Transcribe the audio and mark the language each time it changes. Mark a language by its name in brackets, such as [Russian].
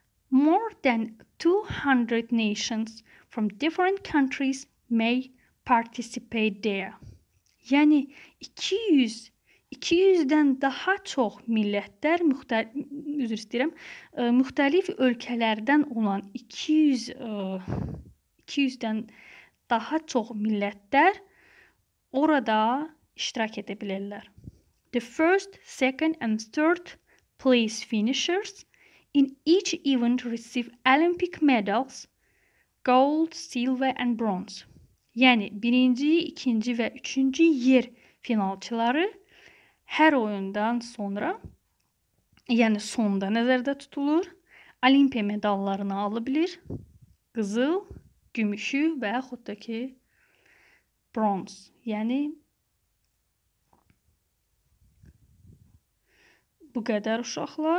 [English] More than 200 nations from different countries may participate there. [Azerbaijani] Yəni 200-dən daha çox millətlər müxtəlif ölkələrdən olan 200-dən daha çox millətlər orada iştirak edə bilərlər. [English] The first, second and third place finishers in each event receive Olympic medals, gold, silver and bronze. [Azerbaijani] Yəni, birinci, ikinci və üçüncü yer finalçıları hər oyundan sonra, yəni sonda nəzərdə tutulur, Olimpiya medallarını ala bilir, qızıl, gümüşü və yaxud da ki, bronz, yəni bu qədər uşaqlar.